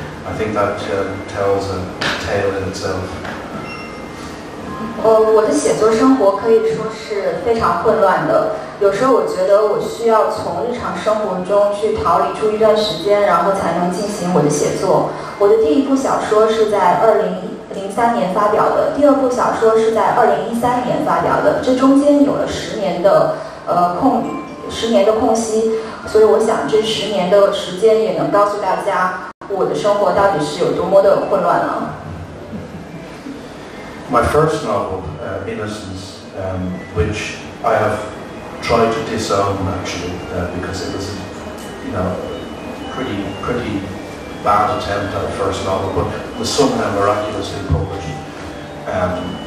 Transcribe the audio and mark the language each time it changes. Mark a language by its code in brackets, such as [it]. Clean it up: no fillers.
[en] I think that tells a tale in itself. [zh] 我的写作生活可以说是非常混乱的，有时候我觉得我需要从日常生活中去逃离出一段时间，然后才能进行我的写作。我的第一部小说是在2003年发表的，第二部小说是在2013年发表的，这中间有了十年的空隙，所以我想这十年的时间也能告诉大家我的生活到底是有多么的混乱了。 [en] My first novel, Innocence, which I have tried to disown actually, because it was a pretty bad attempt at a first novel, but was somehow miraculously published.